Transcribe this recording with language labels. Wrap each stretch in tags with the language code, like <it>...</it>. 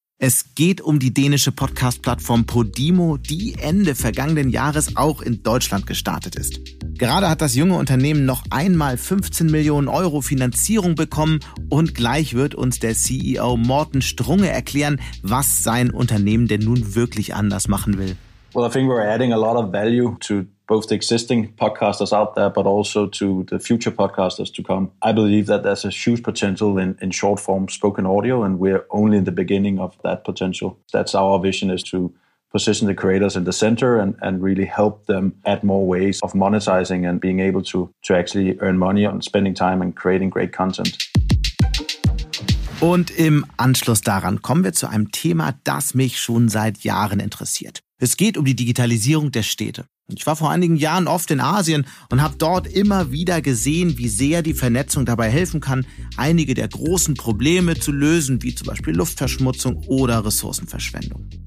<de>Es geht um die dänische Podcast-Plattform Podimo, die Ende vergangenen Jahres auch in Deutschland gestartet ist. Gerade hat das junge Unternehmen noch einmal 15 Millionen Euro Finanzierung bekommen und gleich wird uns der CEO Morten Strunge erklären, was sein Unternehmen denn nun wirklich anders machen will.</de> <en>Well, I think we're adding a lot of value to both the existing podcasters out there, but also to the future podcasters to come. I believe that there's a huge potential in short form spoken audio, and we're only in the beginning of that potential. That's our vision, is to position the creators in the center and really help them add more ways of monetizing and being able to actually earn money on spending time and creating great content.</en> <de>Und im Anschluss daran kommen wir zu einem Thema, das mich schon seit Jahren interessiert. Es geht um die Digitalisierung der Städte. Ich war vor einigen Jahren oft in Asien und habe dort immer wieder gesehen, wie sehr die Vernetzung dabei helfen kann, einige der großen Probleme zu lösen, wie zum Beispiel Luftverschmutzung oder Ressourcenverschwendung.</de>